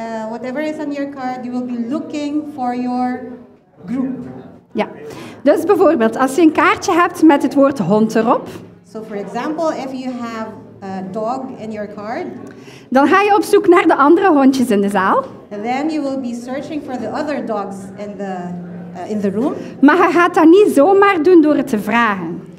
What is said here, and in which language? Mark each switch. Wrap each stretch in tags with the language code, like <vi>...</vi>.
<en>Whatever is on your card, you will be looking for your group.</en> <nl>Ja. Dus bijvoorbeeld, als je een kaartje hebt met het woord hond erop.</nl> <en>So for example, if you have a dog in your card.</en> <nl>Dan ga je op zoek naar de andere hondjes in de zaal.</nl> <en>And then you will be searching for the other dogs in the room.</en> <nl>Maar je gaat dat niet zomaar doen door het te vragen.</nl>